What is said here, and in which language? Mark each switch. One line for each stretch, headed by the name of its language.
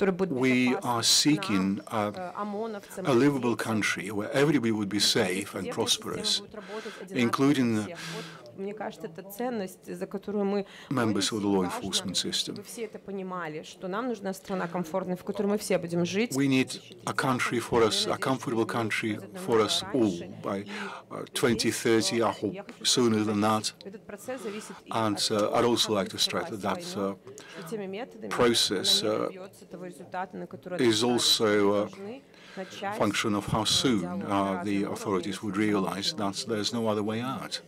English: We are seeking a livable country where everybody would be safe and prosperous, including
Russian: Мне кажется, это ценность, за которую мы
English: members of the law enforcement system.
Russian: Вы все это понимали, что нам нужна страна комфортная, в которой мы все будем жить.
English: We need a country for us, a comfortable country for us all by 2030, I hope sooner than that. And I'd also like to stress that that process is also function of how soon the authorities would realize that there's no other way out.